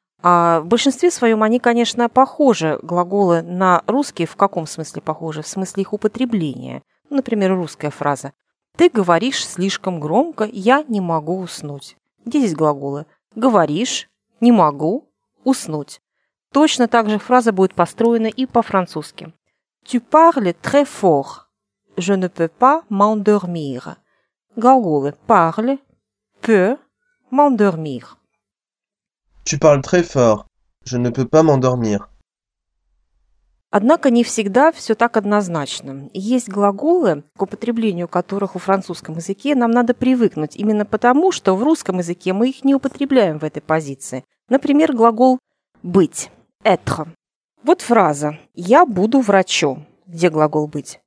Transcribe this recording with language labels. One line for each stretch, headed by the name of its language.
Russian: А в большинстве своем они, конечно, похожи, глаголы на русские, в каком смысле похожи? В смысле их употребления. Например, русская фраза «ты говоришь слишком громко, я не могу уснуть». Где здесь глаголы? «Говоришь», «не могу», «уснуть». Точно так же фраза будет построена и по-французски.
French: «Tu parles très fort, je ne peux pas m'endormir».
Russian: Глаголы «parle», «peux», «m'endormir».
French: Tu parles très fort. Je ne peux pas m'endormir.
Russian: Однако не всегда все так однозначно. Есть глаголы, к употреблению которых в французском языке нам надо привыкнуть, именно потому, что в русском языке мы их не употребляем в этой позиции. Например, глагол «быть» – «être». Вот фраза «я буду врачом». Где глагол «быть»?